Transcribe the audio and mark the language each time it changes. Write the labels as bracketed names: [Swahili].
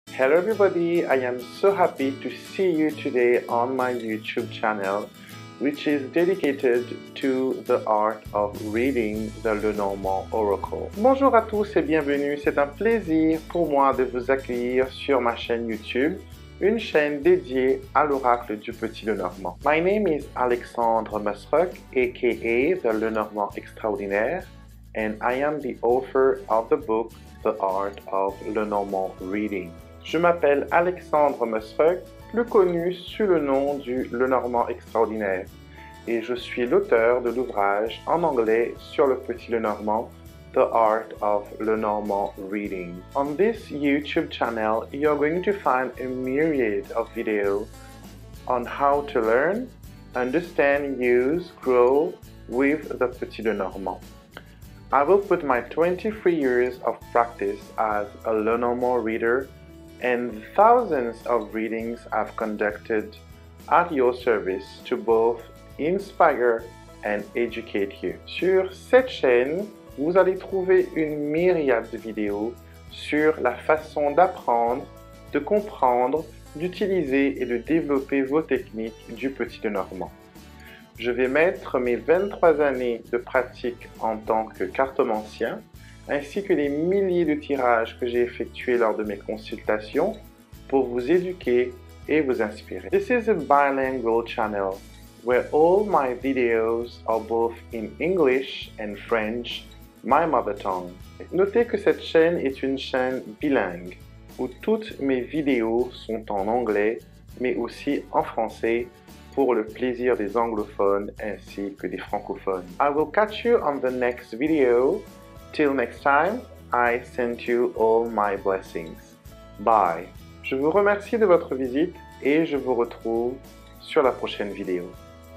[English] Hello everybody, I am so happy to see you today on my YouTube channel, which is dedicated to the art of reading the Lenormand Oracle. [French] Bonjour à tous et bienvenue, c'est un plaisir pour moi de vous accueillir sur ma chaîne YouTube, une chaîne dédiée à l'oracle du Petit Lenormand. [English] My name is Alexandre Musruck, aka the Lenormand Extraordinaire, and I am the author of the book The Art of Lenormand Reading. [French] Je m'appelle Alexandre Musruck, plus connu sous le nom du Lenormand Extraordinaire, et je suis l'auteur de l'ouvrage en anglais sur le Petit Lenormand, The Art of Lenormand Reading. [English] On this YouTube channel, you're going to find a myriad of videos on how to learn, understand, use, grow with the Petit Lenormand. I will put my 23 years of practice as a Lenormand reader and thousands of readings I've conducted at your service to both inspire and educate you. [French] Sur cette chaîne, vous allez trouver une myriade de vidéos sur la façon d'apprendre, de comprendre, d'utiliser et de développer vos techniques du Petit Lenormand. Je vais mettre mes 23 années de pratique en tant que cartomancien, ainsi que les milliers de tirages que j'ai effectués lors de mes consultations pour vous éduquer et vous inspirer. [English] This is a bilingual channel where all my videos are both in English and French, my mother tongue. [French] Notez que cette chaîne est une chaîne bilingue où toutes mes vidéos sont en anglais mais aussi en français pour le plaisir des anglophones ainsi que des francophones. [English] I will catch you on the next video. Till next time, I send you all my blessings. Bye. [French] Je vous remercie de votre visite et je vous retrouve sur la prochaine vidéo.